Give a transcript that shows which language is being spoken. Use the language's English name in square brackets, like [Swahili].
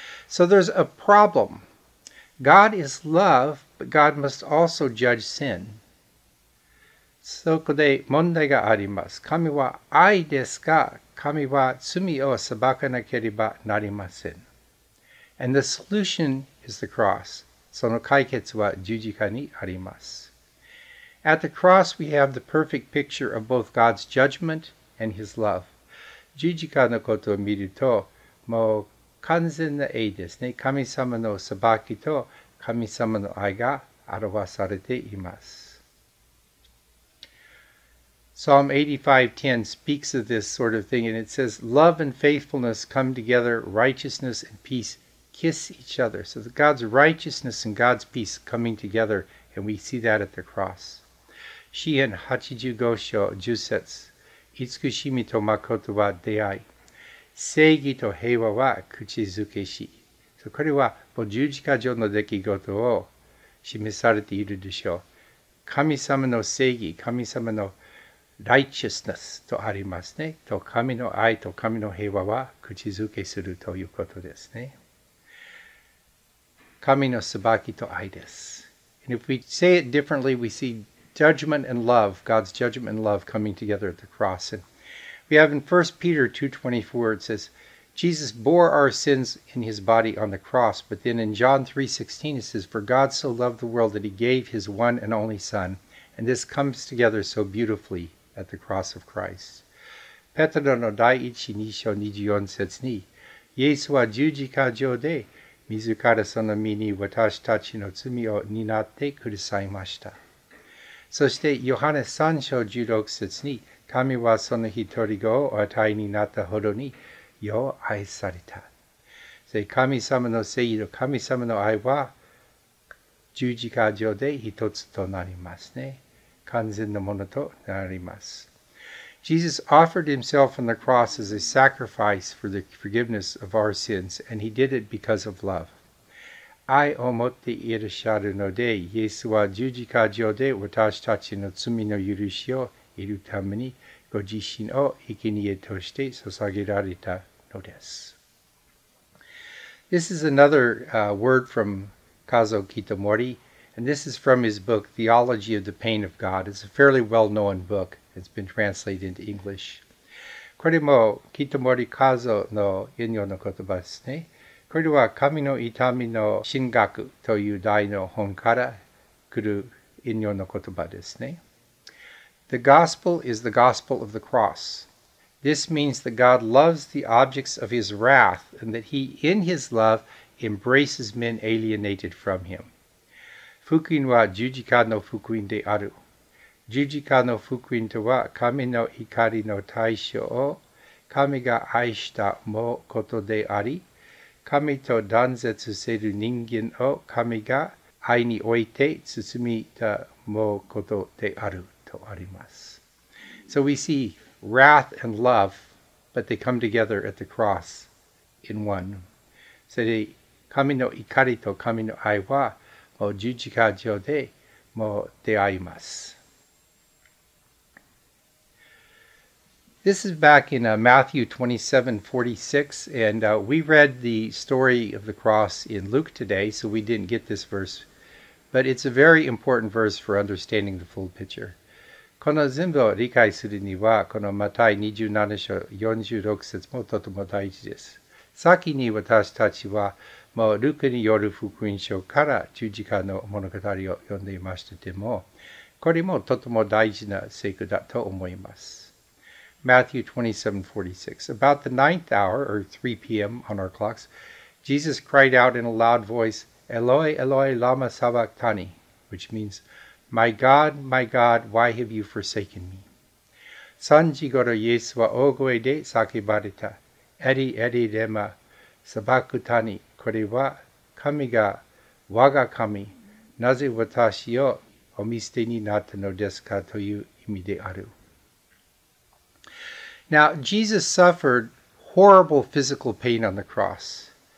[English] So there's a problem. God is love, but God must also judge sin. [Japanese] そこで問題があります。神は愛ですが、神は罪を裁かなければなりません。 [English] And the solution is the cross. [Japanese] その解決は十字架にあります。 [English] At the cross, we have the perfect picture of both God's judgment and His love. [Japanese] 十字架のことを見ると、もう完全な愛ですね。神様の裁きと神様の愛が表されています。 [English] Psalm 85:10 speaks of this sort of thing, and it says, Love and faithfulness come together, righteousness and peace kiss each other. So God's righteousness and God's peace coming together, and we see that at the cross. [Japanese] 詩篇85章10節、慈しみと誠は出会い、正義と平和は口づけし。これは十字架上の出来事を示されているでしょう。神様の正義、神様の righteousness とありますね。と神の愛と神の平和は口づけするということですね。神の裁きと愛です。 [English] And if we say it differently, we seeJudgment and love, God's judgment and love coming together at the cross. And we have in 1 Peter 2:24, it says, Jesus bore our sins in his body on the cross. But then in John 3:16, it says, For God so loved the world that he gave his one and only son. And this comes together so beautifully at the cross of Christ. [Japanese] ペテロの第一、二章、二十四節に、イエスは十字架上で、自らその身に私たちの罪を担ってくださいました。そして、ヨハネ3章16節に、神はその一人子をお与えになったほどによう愛された。で、神様の正義と神様の愛は、十字架上で一つとなりますね。完全なものとなります。 [English] Jesus offered himself on the cross as a sacrifice for the forgiveness of our sins, and he did it because of love. [Japanese] 愛を持っていらっしゃるので、イエスは十字架上で私たちの罪の許しを得るために、ご自身を生贄として捧げられたのです。 [English] This is another word from Kazuo Kitamori, and this is from his book, Theology of the Pain of God. It's a fairly well-known book. It's been translated into English. [Japanese] これも、Kitamori Kazuo の引用の言葉ですね。これは神の痛みの神学という題の本から来る引用の言葉ですね。 [English] The gospel is the gospel of the cross. This means that God loves the objects of his wrath and that he, in his love, embraces men alienated from him. [Japanese] 福音は十字架の福音である。十字架の福音とは神の怒りの対象を神が愛したもことであり、神と断絶せる人間を神が愛において包みたもうことであるとあります。 [English] So we see wrath and love, but they come together at the cross in one. [Japanese] それで神の怒りと神の愛はもう十字架上でもう出会います。 [English] This is back in Matthew 27:46, and we read the story of the cross in Luke today, so we didn't get this verse. But it's a very important verse for understanding the full picture. [Japanese] この全部を理解するには、このマタイ27章46節もとても大事です。先に私たちは、もうルクによる福音書から十字架の物語を読んでいましたでも、これもとても大事な聖句だと思います。 [English] Matthew 27:46. About the ninth hour, or 3 p.m. on our clocks, Jesus cried out in a loud voice, [Aramaic] Eloi, Eloi, lama sabachthani, [English] which means, My God, why have you forsaken me? [Japanese] 3時ごろイエスは大声で叫ばれた。エリエリレマ、サバクタニ、これは神が我が神、なぜ私をお見捨てになったのですかという意味である。 [English] Now, Jesus suffered horrible physical pain on the cross.